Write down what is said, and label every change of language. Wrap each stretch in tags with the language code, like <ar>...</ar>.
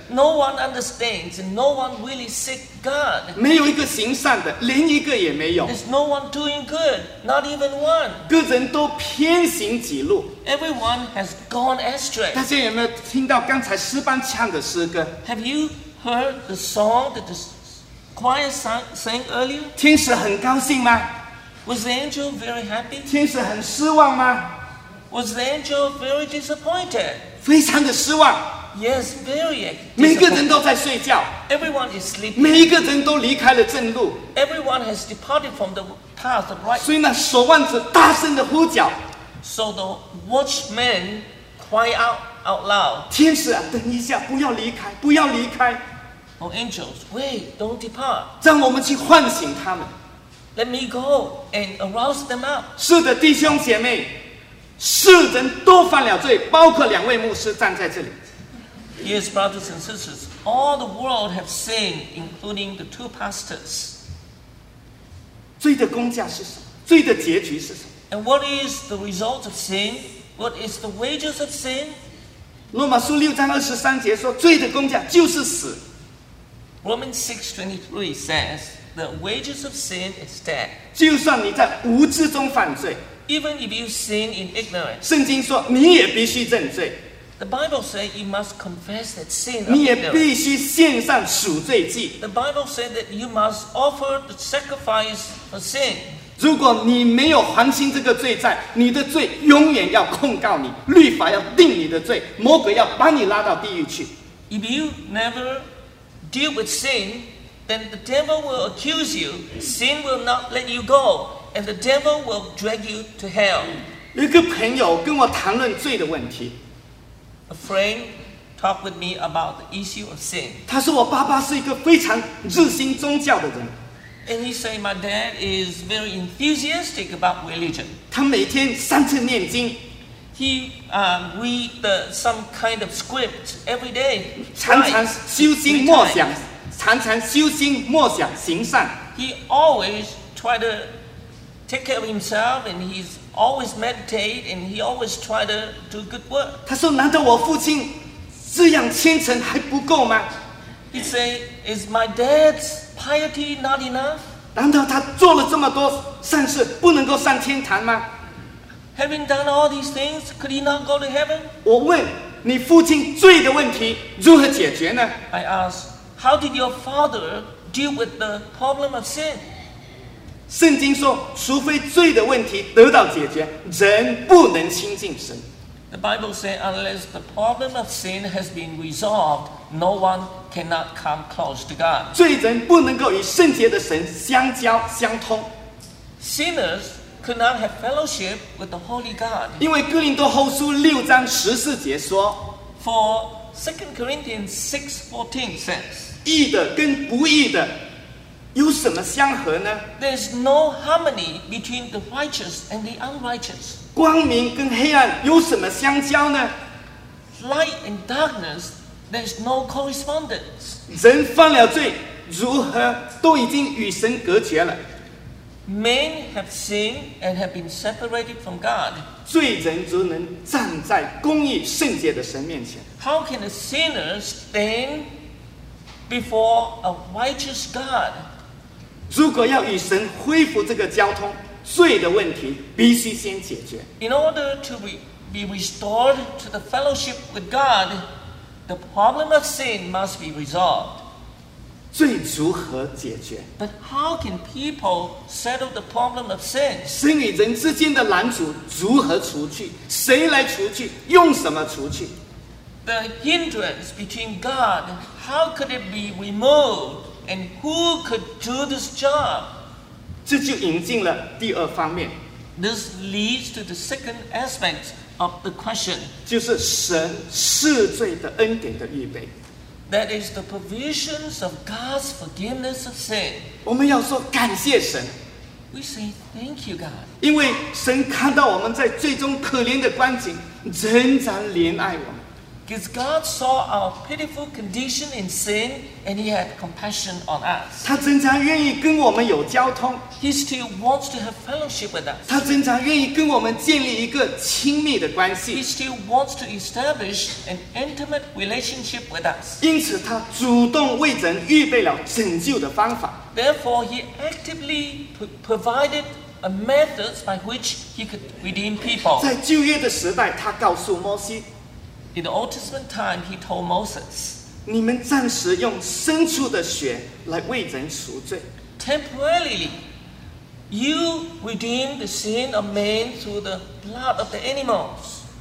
<en>No one understands, and no one really seek God.</en> <zh>没有一个行善的，连一个也没有</zh> <en>There's no one doing good, not even one.</en> <zh>个人都偏行己路</zh> <en>Everyone has gone astray.</en> <zh>大家有没有听到刚才诗班唱的诗歌</zh> <en>Have you heard the song that the choir sang earlier?</en> <zh>天使很高兴吗</zh> <en>Was the angel very happy?</en> <zh>天使很失望吗</zh> <en>Was the angel very disappointed?</en> <zh>非常的失望。</zh> <en>Yes, very.</en> <zh>每个人都在睡觉。</zh> <en>Everyone is sleeping.</en> <zh>每一个人都离开了正路。</zh> <en>Everyone has departed from the path of right.</en> <zh>所以那守望者大声的呼叫。</zh> <en>So the watchman cry out loud.</en> <zh>天使啊，等一下，不要离开，不要离开。</zh> <en>Oh, angels, wait, don't depart.</en> <zh>让我们去唤醒他们。</zh> <en>Let me go and arouse them up.</en> <zh>是的，弟兄姐妹。世人都犯了罪，包括两位牧师站在这里。</zh> <en>Yes, brothers and sisters, all the world have sinned, including the two pastors.</en> <zh>罪的工价是什么？罪的结局是什么</zh> <en>？And what is the result of sin? What is the wages of sin?</en> <zh>罗马书六章二十三节说，罪的工价就是死。</zh> <en>Romans 6:23 says, the wages of sin is death.</en> <zh>就算你在无知中犯罪。</zh> <en>Even if you sin in ignorance,</en> <zh>圣经说你也必须认罪。</zh> <en>The Bible says you must confess that sin.</en> <zh>你也必须献上赎罪祭。</zh> <en>The Bible says that you must offer the sacrifice for sin.</en> <zh>如果你没有还清这个罪债，你的罪永远要控告你，律法要定你的罪，魔鬼要把你拉到地狱去。</zh> <en>If you never deal with sin, then the devil will accuse you. Sin will not let you go. And the devil will drag you to hell.</en> <zh>一个朋友跟我谈论罪的问题。</zh> <en>A friend talked with me about the issue of sin.</en> <zh>他说我爸爸是一个非常热心宗教的人。</zh> <en>And he said my dad is very enthusiastic about religion.</en> <zh>他每天三次念经。</zh> <en>He read some kind of script every day.</en> <zh>常常修心默想，常常修心默想行善。</zh> <en>He always try to take care of himself, and he's always meditate, and he always try to do good work.</en> <zh>他说：“难道我父亲这样虔诚还不够吗？”</zh> <en>He say, "Is my dad's piety not enough?"</en> <zh>难道他做了这么多善事，不能够上天堂吗？</zh> <en>Having done all these things, could he not go to heaven?</en> <zh>我问你父亲罪的问题如何解决呢？</zh> <en>I ask, how did your father deal with the problem of sin?</en> <zh>圣经说，除非罪的问题得到解决，人不能亲近神。</zh> <en>The Bible says, unless the problem of sin has been resolved, no one cannot come close to God.</en> <zh>罪人不能够与圣洁的神相交相通。</zh> <en>Sinners. Could not have fellowship with the Holy God.</en> <zh>因为哥林多后书六章十四节说</zh> <en>，For 2 Corinthians 6:14 says,</en> <zh>义的跟不义的有什么相合呢</zh> <en>？There is no harmony between the righteous and the unrighteous.</en> <zh>光明跟黑暗有什么相交呢</zh> <en>？Light and darkness, there is no correspondence.</en> <zh>人犯了罪，如何都已经与神隔绝了。</zh> <en>Men have sinned and have been separated from God.</en> <zh>罪人只能站在公义圣洁的神面前。</zh> <en>How can a sinner stand before a righteous God?</en> <zh>如果要与神恢复这个交通，罪的问题必须先解决。</zh> <en>In order to be restored to the fellowship with God, the problem of sin must be resolved.</en> <zh>罪如何解决</zh> <en>？But how can people settle the problem of sin?</en> <zh>神与人之间的拦阻如何除去？谁来除去？用什么除去</zh> <en>？The hindrance between God, how could it be removed? And who could do this job?</en> <zh>这就引进了第二方面。</zh> <en>This leads to the second aspect of the question.</en> <zh>就是神赦罪的恩典的预备。</zh> <en>That is the provisions of God's forgiveness of sin.</en> <zh>我们要说感谢神。</zh> <en>We say thank you, God.</en> <zh>因为神看到我们在最终可怜的光景，仍然怜爱我们。</zh> <en>Because God saw our pitiful condition in sin, and He had compassion on us.</en> <zh>他仍然愿意跟我们有交通。</zh> <en>He still wants to have fellowship with us.</en> <zh>他仍然愿意跟我们建立一个亲密的关系。</zh> <en>He still wants to establish an intimate relationship with us.</en> <zh>因此，他主动为人预备了拯救的方法。</zh> <en>Therefore, He actively provided a method by which He could redeem people.</en> <zh>在旧约的时代，他告诉摩西。</zh> <en>In the Old Testament time, he told Moses,</en> <zh>你们暂时用牲畜的血来为人赎罪。</zh> <en>Temporarily, you redeem the sin of man through the blood of the animals.</en>